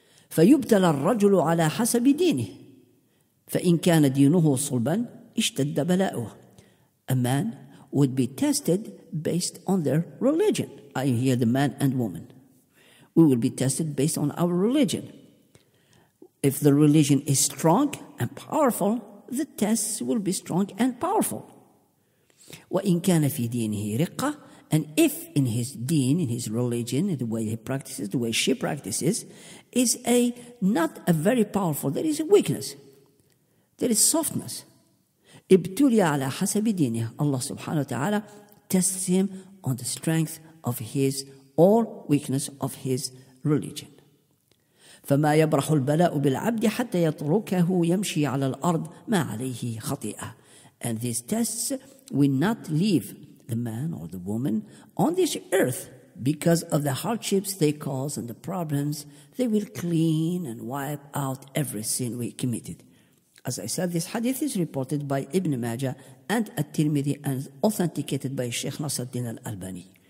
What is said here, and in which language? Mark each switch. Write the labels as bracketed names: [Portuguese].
[Arabic] فيبتلى الرجل على حسب دينه. فإن كان دينه صلبا اشتد بلاؤه. [English] A man would be tested based on their religion. I hear the man and woman. We will be tested based on our religion. If the religion is strong and powerful, the tests will be strong and powerful. [Arabic] وإن كان في دينه رقة, [English] and if in his deen, in his religion, the way he practices, the way she practices, is a not a very powerful, there is a weakness. There is softness. [Arabic] ابتلي على حسب دينه. [English] Allah subhanahu wa ta'ala tests him on the strength of his or weakness of his religion. [Arabic] فما يبرح البلاء بالعبد حتى يتركه يمشي على الأرض ما عليه خطيئة. [English] And these tests will not leave the man or the woman on this earth because of the hardships they cause and the problems. They will clean and wipe out every sin we committed. As I said, this hadith is reported by Ibn Majah and At-Tirmidhi and authenticated by Sheikh Nasruddin al-Albani.